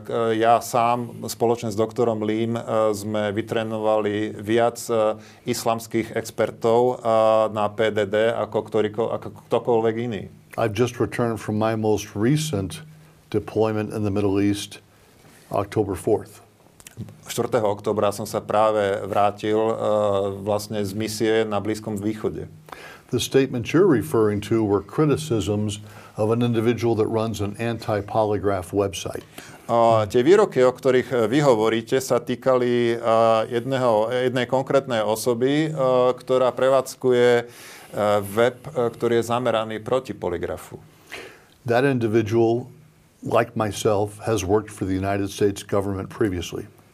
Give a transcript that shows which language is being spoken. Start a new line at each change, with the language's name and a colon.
Slovak: Ja sám spoločne s doktorom Lim sme vytrénovali viac islamských expertov na PDD ako ktokoľvek iný.
English: I've just returned from my most recent deployment in the Middle East October 4th.
Slovak: 4. októbra som sa práve vrátil vlastne z misie na Blízkom východe.
English: The statements you're referring to were criticisms of an individual that runs an anti-polygraph website.
Slovak: Tie výroky, o ktorých vy hovoríte, sa týkali jednej konkrétnej osoby, ktorá prevádzkuje web, ktorý je zameraný proti polygrafu.
English: That individual, like myself, has worked for the United States government previously.